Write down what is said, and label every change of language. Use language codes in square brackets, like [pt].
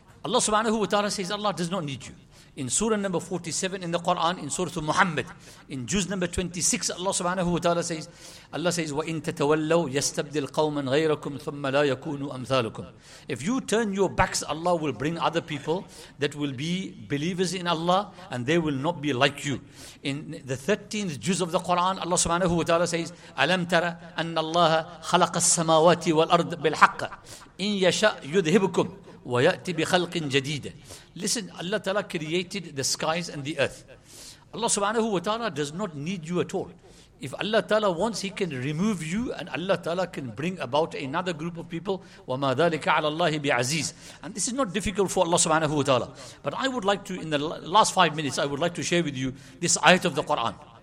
[en] Allah subhanahu wa ta'ala says, Allah does not need you. In surah number 47 in the Quran, in surah Muhammad, in Juz number 26, Allah subhanahu wa ta'ala says, Allah says, [ar] وَإِن تَتَوَلَّوْا يَسْتَبْدِلْ قَوْمًا غَيْرَكُمْ ثُمَّ لَا يَكُونُوا أَمْثَالُكُمْ. [en] If you turn your backs, Allah will bring other people that will be believers in Allah and they will not be like you. In the 13th Juz of the Quran, Allah subhanahu wa ta'ala says, [ar] أَلَمْ تَرَ أَنَّ اللَّهَ خَلَقَ السَّمَاوَاتِ وَالْأَرْضِ بِالْحَقَّ إِن يَشَأْ يُذْهِبُكُمْ وَيَأْتِ بِخَلْقٍ جَدِيدٍ. [en] Listen, Allah Ta'ala created the skies and the earth. Allah subhanahu wa ta'ala does not need you at all. If Allah Ta'ala wants, He can remove you and Allah Ta'ala can bring about another group of people. [ar] وَمَا ذَلِكَ عَلَى اللَّهِ بِعَزِيزٍ. [en] And this is not difficult for Allah subhanahu wa ta'ala. But I would like to, in the last 5 minutes, I would like to share with you this ayat of the Quran.